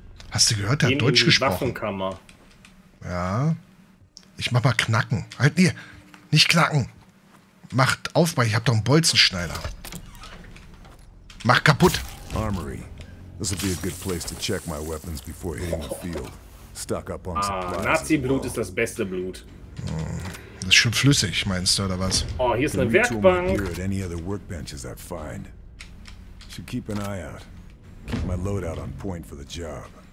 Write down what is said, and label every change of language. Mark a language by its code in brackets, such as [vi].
[de] Hast du gehört, der hat Deutsch gesprochen? Ja. Ich mach mal knacken. Halt, nee, nicht knacken. Macht auf, weil ich hab doch einen Bolzenschneider. Mach kaputt. [en] Armory. This would be a good place to check my weapons before hitting the field. Stock up on supplies. [de] Nazi-Blut ist das beste Blut. Das ist schon flüssig, meinst du, oder was? Oh, hier ist eine Werkbank. [en] Here at any other workbenches I find. Should keep an eye out. Keep my loadout on point for the job.